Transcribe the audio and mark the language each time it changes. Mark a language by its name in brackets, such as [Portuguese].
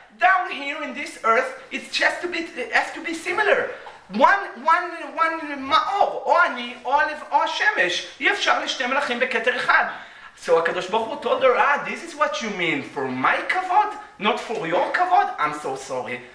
[English] Down here in this earth, it's just to be, it has to be similar. One ma'or, [Hebrew] או אני, או השמש. אי אפשר לשתי מלאכים בכתר אחד. [English] So HaKadosh Baruch Hu told her, this is what you mean, for my kavod, not for your kavod? I'm so sorry.